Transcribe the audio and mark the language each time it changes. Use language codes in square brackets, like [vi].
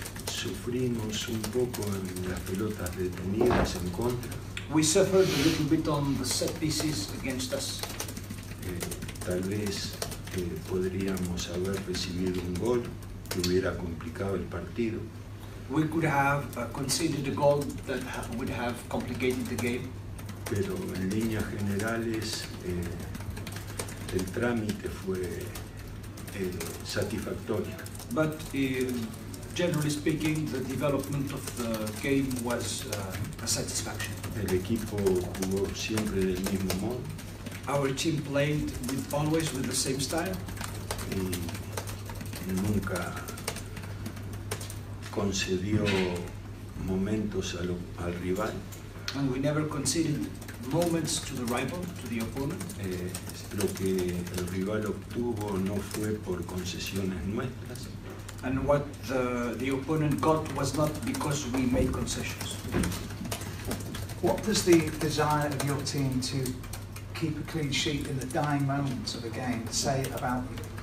[es] Sufrimos un poco en las pelotas detenidas en contra. [en] We suffered a little bit on the set pieces against us. [es] Tal vez podríamos haber recibido un gol que hubiera complicado el partido. [en] We could have conceded a goal that would have complicated the game. [es] Pero en líneas generales el trámite fue satisfactorio. [en] But generally speaking, the development of the game was a satisfaction. [es] El equipo jugó siempre del mismo modo. [en] Our team played always with the same style. [es] Y nunca concedió momentos al rival. [en] And we never conceded moments to the rival, to the opponent. [es] Lo que el rival obtuvo no fue por concesiones nuestras. [en] And what the opponent got was not because we made concessions. What does the desire of your team to keep a clean sheet in the dying moments of a game say about you?